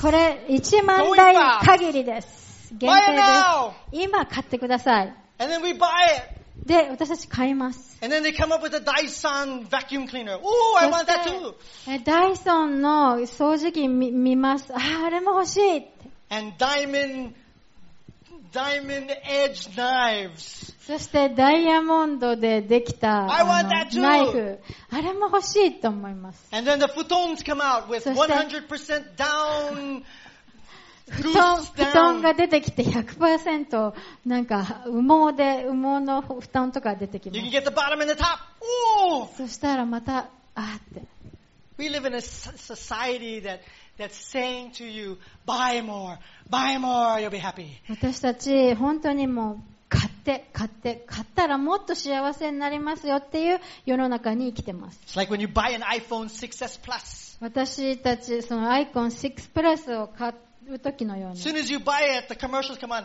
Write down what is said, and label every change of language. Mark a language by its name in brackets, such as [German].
[Japanese] これ1万台限りです。限定です。今買ってください。 [English] And then we buy it. [Japanese] で、私たち買います。 [English] And then they come up with a Dyson vacuum cleaner. Oh, I want that too! [Japanese] ダイソンの掃除機見ます。あ、あれも欲しい。 [English] And diamond edge knives. [Japanese] そしてダイヤモンドでできたナイフ。あれも欲しいと思います。 [English] And then the futons come out with 100% down. [Japanese] 布団が出てきて 100% なんか羽毛の布団とか出てきます。 [English] You can get the bottom and the top. [Japanese] そしたらまた、あーって。 [English] We live in a society that's saying to you, buy more, buy more, you'll be happy. [Japanese] 私たち本当にもう買って、買ったらもっと幸せになりますよっていう世の中に生きてます。 [English] It's like when you buy an iPhone 6S Plus. [Japanese] 私たちその iPhone 6 Plus を買って、 [English] As soon as you buy it, the commercials come on.